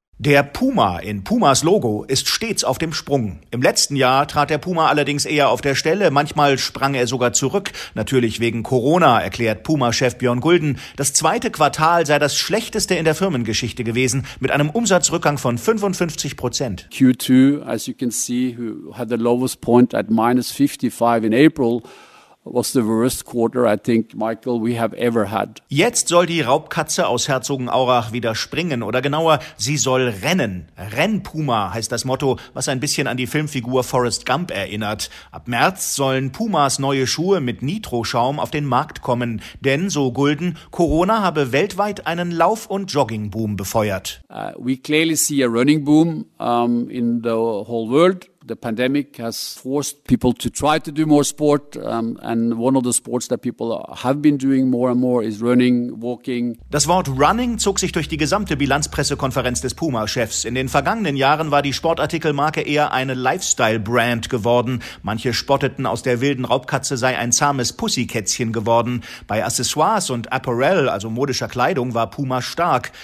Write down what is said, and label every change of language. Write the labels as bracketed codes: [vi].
[de] Der Puma in Pumas Logo ist stets auf dem Sprung. Im letzten Jahr trat der Puma allerdings eher auf der Stelle. Manchmal sprang er sogar zurück. Natürlich wegen Corona, erklärt Puma-Chef Björn Gulden. Das zweite Quartal sei das schlechteste in der Firmengeschichte gewesen, mit einem Umsatzrückgang von 55%. [en] Q2, as you can see, had the lowest point at minus 55 in April. Was the worst quarter, I think, Michael, we have ever had. [de] Jetzt soll die Raubkatze aus Herzogenaurach wieder springen, oder genauer, sie soll rennen. Rennpuma heißt das Motto, was ein bisschen an die Filmfigur Forrest Gump erinnert. Ab März sollen Pumas neue Schuhe mit Nitro-Schaum auf den Markt kommen, denn, so Gulden, Corona habe weltweit einen Lauf- und Jogging-Boom befeuert. [en] We clearly see a running boom in the whole world. The pandemic has forced people to try to do more sport, and one of the sports that people have been doing more and more is running, walking. [de] Das Wort Running zog sich durch die gesamte Bilanzpressekonferenz des Puma-Chefs. In den vergangenen Jahren war die Sportartikelmarke eher eine Lifestyle-Brand geworden. Manche spotteten, aus der wilden Raubkatze sei ein zahmes Pussykätzchen geworden. Bei Accessoires und Apparel, also modischer Kleidung, war Puma stark.